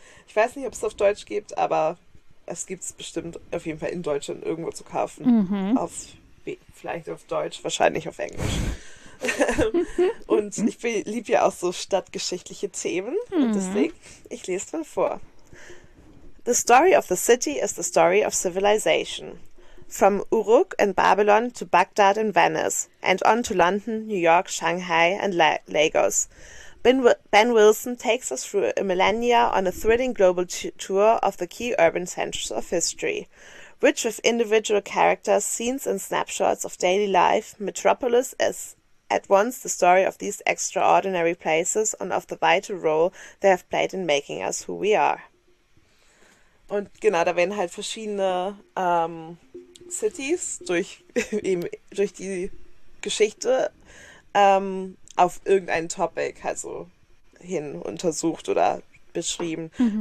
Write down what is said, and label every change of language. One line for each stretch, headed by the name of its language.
German: Ich weiß nicht, ob es auf Deutsch gibt, aber es gibt es bestimmt auf jeden Fall in Deutschland irgendwo zu kaufen. Mhm. Vielleicht auf Deutsch, wahrscheinlich auf Englisch. Und ich liebe ja auch so stadtgeschichtliche Themen. Mhm. Und deswegen, ich lese mal vor.
English: The story of the city is the story of civilization. From Uruk in Babylon to Baghdad in Venice, and on to London, New York, Shanghai, and Lagos. Ben Wilson takes us through a millennia on a thrilling global tour of the key urban centers of history. Rich with individual characters, scenes, and snapshots of daily life, Metropolis is at once the story of these extraordinary places and of the vital role they have played in making us who we are.
German: Und genau, da werden halt verschiedene Cities durch die Geschichte auf irgendein Topic also hin untersucht oder beschrieben. Mhm.